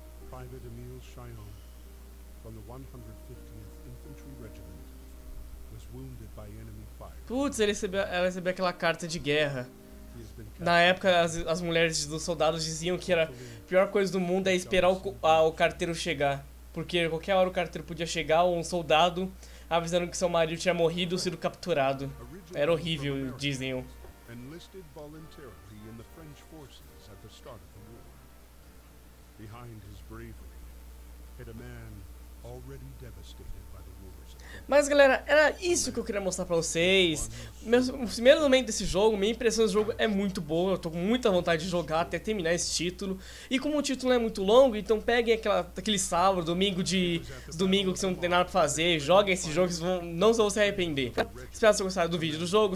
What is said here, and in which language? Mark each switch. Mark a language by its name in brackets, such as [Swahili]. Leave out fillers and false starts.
[English] Private Emile Chion, from the 150th Infantry Regiment, was wounded by enemy fire. [Portuguese] Putz, ela recebeu aquela carta de guerra. Na época, as mulheres dos soldados diziam que era a pior coisa do mundo é esperar o carteiro chegar. Porque qualquer hora o carteiro podia chegar, ou um soldado avisando que seu marido tinha morrido ou sido capturado. Era horrível, diziam. [English] Enlisted voluntarily in the French forces at the start of the war. Behind his bravery hid a man already devastated by the wars. [Portuguese] Mas galera, era isso que eu queria mostrar pra vocês. O primeiro momento desse jogo, minha impressão do jogo é muito boa. Eu tô com muita vontade de jogar até terminar esse título. E como o título é muito longo, então peguem aquele sábado, domingo que você não tem nada pra fazer. Joguem esse jogo, não vão se arrepender. Espero que vocês gostaram do vídeo do jogo.